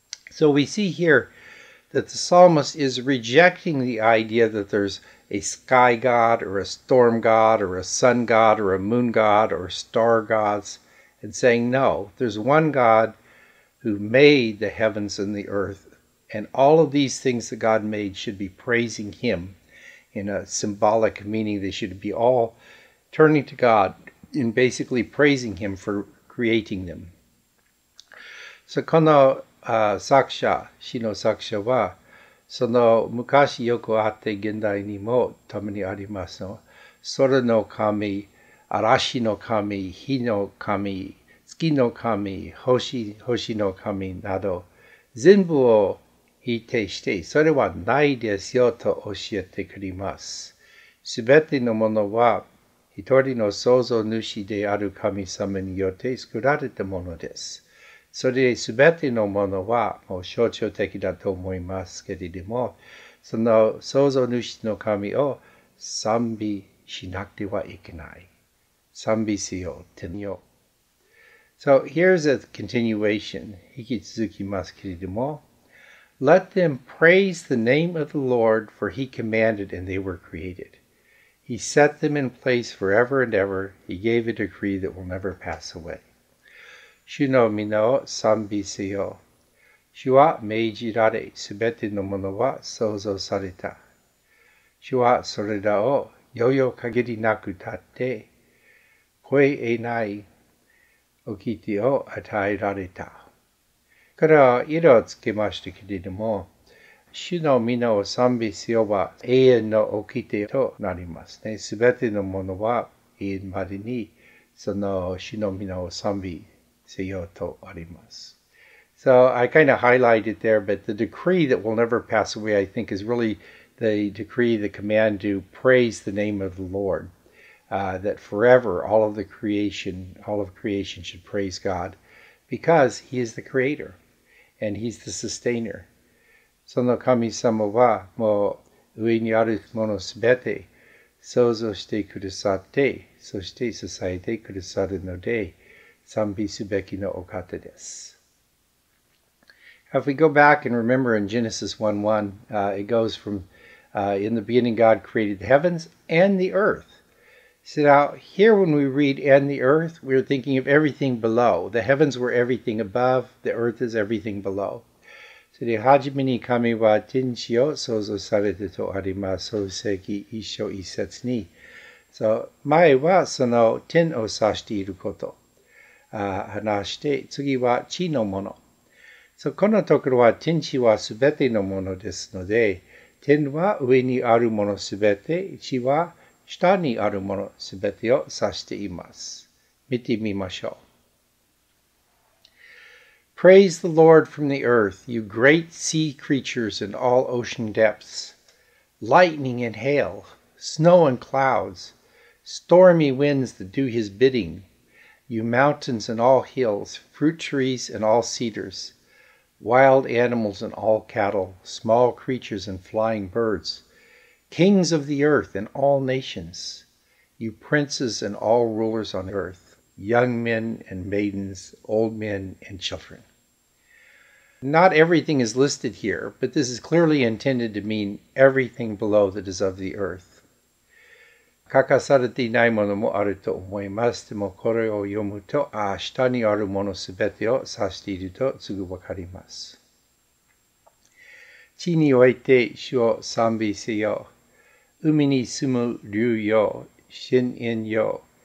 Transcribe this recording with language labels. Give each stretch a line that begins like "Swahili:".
English: So we see here that the psalmist is rejecting the idea that there's a sky god or a storm god or a sun god or a moon god or star gods, and saying, no, there's one God who made the heavens and the earth, and all of these things that God made should be praising him in a symbolic meaning. They should be all turning to God and basically praising him for creating them.
Japanese: So この作者, 詩の作者は、その昔よくあって現代にもたまにありますの。空の神、嵐の神、火の神、月の神、星の神など、全部を否定して、それはないですよと教えてくれます。すべてのものは、一人の創造主である神様によって作られたものです。それですべてのものはもう象徴的だと思いますけれども、その創造主の神を賛美しなくてはいけない。賛美しよう、天よ。
English: So here's a continuation.
Japanese: 引き続きますけれども。
English: Let them praise the name of the Lord, for he commanded and they were created. He set them in place forever and ever. He gave a decree that will never pass away.
Japanese: 主の皆を賛美せよ。主は命じられ、すべてのものは創造された。主はそれらをよよ限りなく立って、越えない掟を与えられた。これは色をつけましたけれども、主の皆を賛美せよは永遠の掟となりますね。すべてのものは永遠までにその主の皆を賛美せよとあります。
English: So I kind of highlighted there, but the decree that will never pass away, I think, is really the decree, the command to praise the name of the Lord, that forever all of creation should praise God, because he is the creator and he's the sustainer.
Japanese: その神様はもう上にあるものすべて創造してくださって、そして支えてくださるので、賛美すべきのお方です。
English: If we go back and remember in Genesis 1:1, it goes from, in the beginning God created the heavens and the earth. So now, here when we read and the earth, we're thinking of everything below. The heavens were everything above, the earth is everything below.
Japanese: So で、はじめに神は天地を創造されたとあります。創世記1章1節に。So 前はその天を指していること。話して次は地のもの。So, このところは天地はすべてのものですので、天は上にあるものすべて、地は下にあるものすべてを指しています。見てみましょう。
English: Praise the Lord from the earth, you great sea creatures in all ocean depths, lightning and hail, snow and clouds, stormy winds that do his bidding. You mountains and all hills, fruit trees and all cedars, wild animals and all cattle, small creatures and flying birds, kings of the earth and all nations, you princes and all rulers on earth, young men and maidens, old men and children. Not everything is listed here, but this is clearly intended to mean everything below that is of the earth.
Japanese: 書かされていないものもあると思います。でもこれを読むと、下にあるものすべてを指しているとすぐわかります。地において主を賛美せよ。海に住む竜よ、深淵よ、